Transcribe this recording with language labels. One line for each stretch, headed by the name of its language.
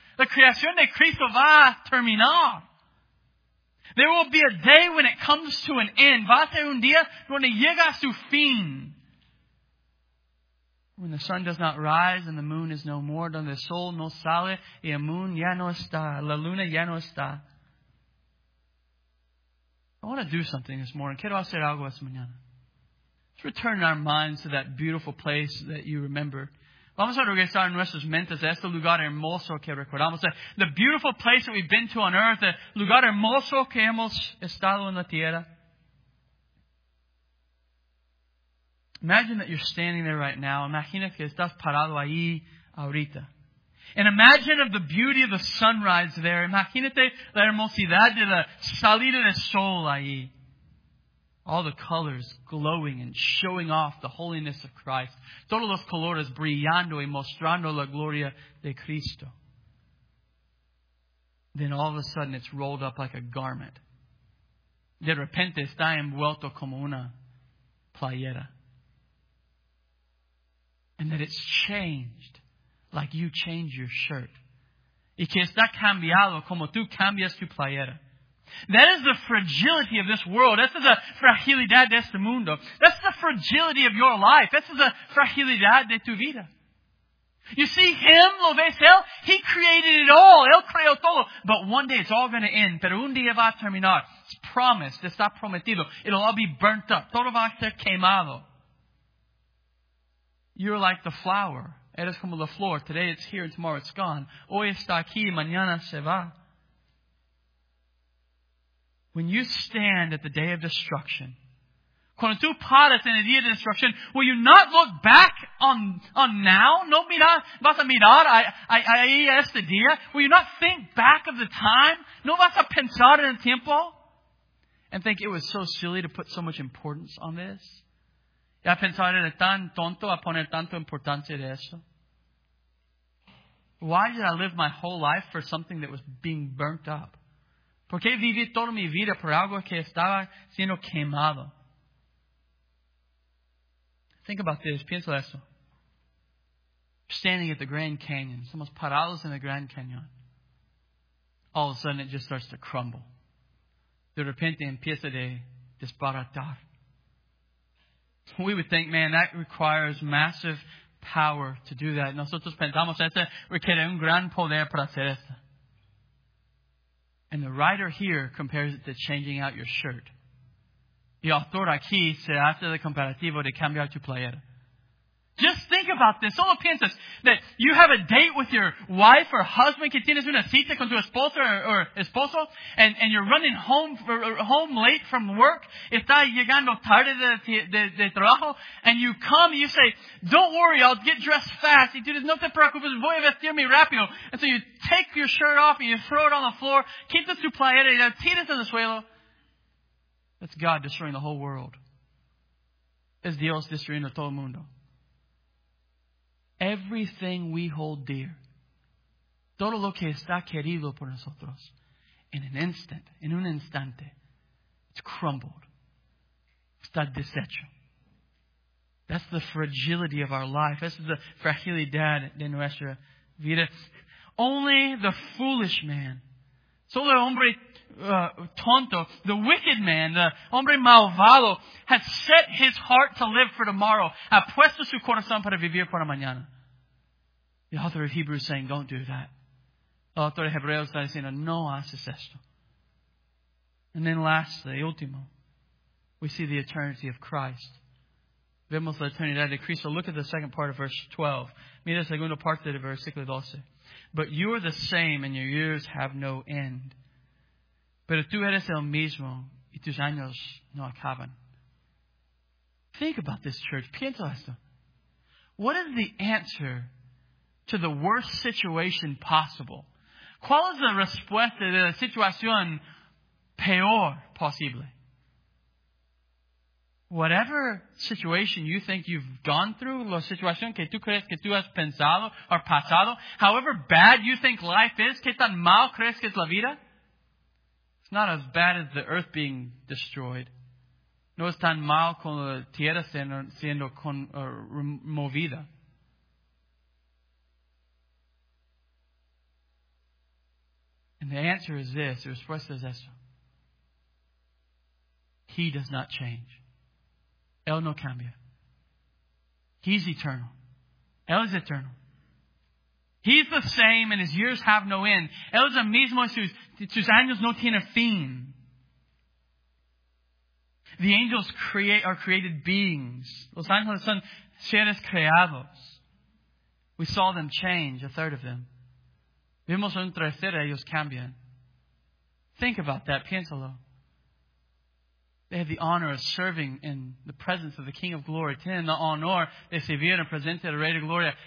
Spanish: La creación de Cristo va a terminar.
English: There will be a day when it comes to an end.
Spanish: Va a ser un día donde llega a su fin.
English: When the sun does not rise and the moon is no more.
Spanish: Donde el sol no sale y el moon ya no está. La luna ya no está.
English: I want to do something this morning.
Spanish: Quiero hacer algo esta mañana.
English: Let's return our minds to that beautiful place that you remember.
Spanish: Vamos a regresar nuestras mentes a este lugar hermoso que recordamos. The beautiful place that we've been to on earth. The lugar hermoso que hemos estado en la tierra.
English: Imagine that you're standing there right now.
Spanish: Imagina que estás parado ahí ahorita.
English: And imagine of the beauty of the sunrise there.
Spanish: Imagínate la hermosidad de la salida del sol ahí.
English: All the colors glowing and showing off the holiness of Christ.
Spanish: Todos los colores brillando y mostrando la gloria de Cristo.
English: Then all of a sudden it's rolled up like a garment.
Spanish: De repente está envuelto como una playera.
English: And that it's changed. Like you change your shirt.
Spanish: Y que está cambiado como tú cambias tu playera.
English: That is the fragility of this world.
Spanish: Esa es la fragilidad de este mundo.
English: That's the fragility of your life.
Spanish: Esa es la fragilidad de tu vida.
English: You see him,
Spanish: lo ves él?
English: He created it all.
Spanish: Él creó todo.
English: But one day it's all going to end.
Spanish: Pero un día va a terminar.
English: It's promised.
Spanish: Está prometido.
English: It'll all be burnt up.
Spanish: Todo va a ser quemado.
English: You're like the flower.
Spanish: Eres como la flor.
English: Today it's here and tomorrow it's gone.
Spanish: Hoy está aquí y mañana se va.
English: When you stand at the day of destruction,
Spanish: cuando tú paras en el día de destrucción,
English: will you not look back on now?
Spanish: No mirar, vas a mirar ahí a este día?
English: Will you not think back of the time?
Spanish: No vas a pensar en el tiempo?
English: And think it was so silly to put so much importance on this?
Spanish: Ya pensar era tan tonto a poner tanto importancia de eso.
English: Why did I live my whole life for something that was being burnt up?
Spanish: ¿Por qué viví toda mi vida por algo que estaba siendo quemado?
English: Think about this.
Spanish: Piensa eso.
English: Standing at the Grand Canyon.
Spanish: Somos parados en el Grand Canyon.
English: All of a sudden it just starts to crumble.
Spanish: De repente empieza a desbaratar.
English: We would think, man, that requires massive power to do that.
Spanish: Nosotros pensamos eso requiere un gran poder para hacer eso.
English: And the writer here compares it to changing out your shirt.
Spanish: Y autor aquí se hace el comparativo de cambiar tu playera.
English: Just think about this.
Spanish: Solo piensas
English: that you have a date with your wife or husband,
Spanish: que tienes una cita con tu esposa or esposo,
English: and you're running home late from work,
Spanish: está llegando tarde de trabajo,
English: and you come and you say, don't worry, I'll get dressed fast.
Spanish: Y tú dices, no te preocupes, voy a vestirme rápido.
English: And so you take your shirt off and you throw it on the floor,
Spanish: quitas tu playera y la tiras en el suelo.
English: That's God destroying the whole world.
Spanish: es Dios destruyendo todo el mundo.
English: Everything we hold dear,
Spanish: todo lo que está querido por nosotros, in an instant, in un instante,
English: it's crumbled.
Spanish: Está deshecho.
English: That's the fragility of our life. That's the
Spanish: fragilidad de nuestra vida.
English: Only the foolish man,
Spanish: solo el hombre tonto,
English: the wicked man, the
Spanish: hombre malvado,
English: has set his heart to live for tomorrow.
Spanish: Ha puesto su corazón para vivir para mañana.
English: The author of Hebrews is saying, don't do that.
Spanish: El autor de Hebreos está diciendo, no haces esto.
English: And then lastly, último, we see the eternity of Christ.
Spanish: Vemos la eternidad de Cristo.
English: Look at the second part of verse 12.
Spanish: Mira la segunda parte de versículo 12.
English: But you are the same and your years have no end.
Spanish: Pero tú eres el mismo y tus años no acaban.
English: Think about this, church.
Spanish: Piensa esto.
English: What is the answer to the worst situation possible?
Spanish: ¿Cuál es la respuesta de la situación peor posible?
English: Whatever situation you think you've gone through,
Spanish: la situación que tú crees que tú has pensado o pasado,
English: however bad you think life is,
Spanish: ¿qué tan mal crees que es la vida?
English: It's not as bad as the earth being destroyed.
Spanish: No es tan mal como la tierra siendo removida.
English: And the answer is this. The
Spanish: respuesta es esto.
English: He does not change.
Spanish: Él no cambia.
English: He's eternal.
Spanish: Él es eternal.
English: He's the same and his years have no end.
Spanish: Él es el mismo y sus años no tienen fin.
English: The angels are created beings.
Spanish: Los ángeles son seres creados.
English: We saw them change, a third of them.
Spanish: Vemos un tercero, ellos cambian.
English: Think about that.
Spanish: Piénsalo.
English: They have the honor of serving in the presence of the King of Glory.
Spanish: Tienen la honor de servir en presencia del Rey de Gloria.